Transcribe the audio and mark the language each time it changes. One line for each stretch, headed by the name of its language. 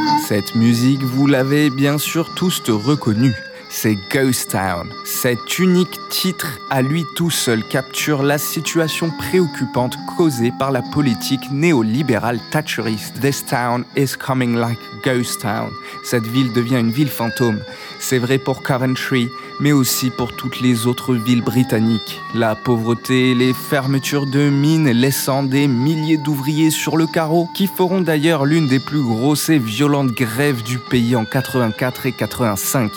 French: Cette musique, vous l'avez bien sûr tous reconnue, c'est Ghost Town. Cet unique titre à lui tout seul capture la situation préoccupante causée par la politique néolibérale thatcheriste.
English: This town is coming like Ghost Town.
French: Cette ville devient une ville fantôme. C'est vrai pour Coventry, mais aussi pour toutes les autres villes britanniques. La pauvreté, les fermetures de mines laissant des milliers d'ouvriers sur le carreau, qui feront d'ailleurs l'une des plus grosses et violentes grèves du pays en 84 et 85.